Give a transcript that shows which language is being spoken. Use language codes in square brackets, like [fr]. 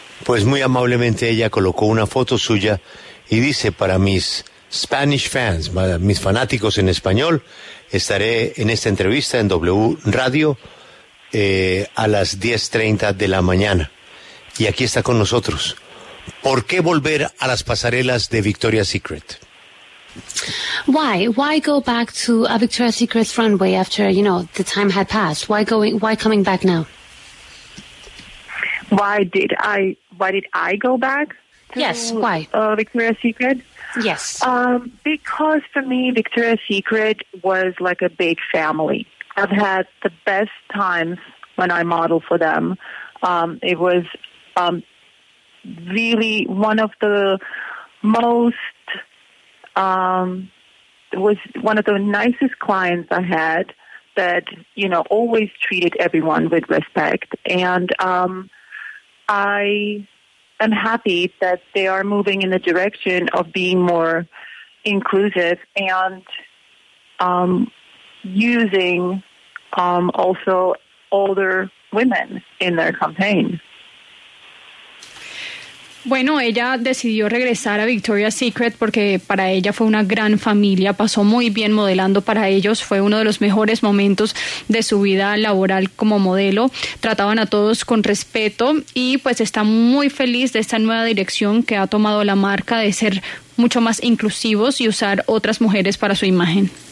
[es] Pues muy amablemente ella colocó una foto suya y dice, para mis [en] Spanish fans, [es] para mis fanáticos en español, estaré en esta entrevista en W Radio a las 10:30 de la mañana. Y aquí está con nosotros. ¿Por qué volver a las pasarelas de Victoria's Secret? [en] Why go back to a Victoria's Secret runway after, you know, the time had passed? Why coming back now? Why did I go back? Yes, why? Victoria's Secret? Yes. Because for me Victoria's Secret was like a big family. I've had the best times when I model for them. It was really one of the most, it was one of the nicest clients I had that, you know, always treated everyone with respect. And I am happy that they are moving in the direction of being more inclusive and using also older women in their campaign. [es] Bueno, ella decidió regresar a Victoria's Secret porque para ella fue una gran familia, pasó muy bien modelando para ellos, fue uno de los mejores momentos de su vida laboral como modelo, trataban a todos con respeto y pues está muy feliz de esta nueva dirección que ha tomado la marca de ser mucho más inclusivos y usar otras mujeres para su imagen.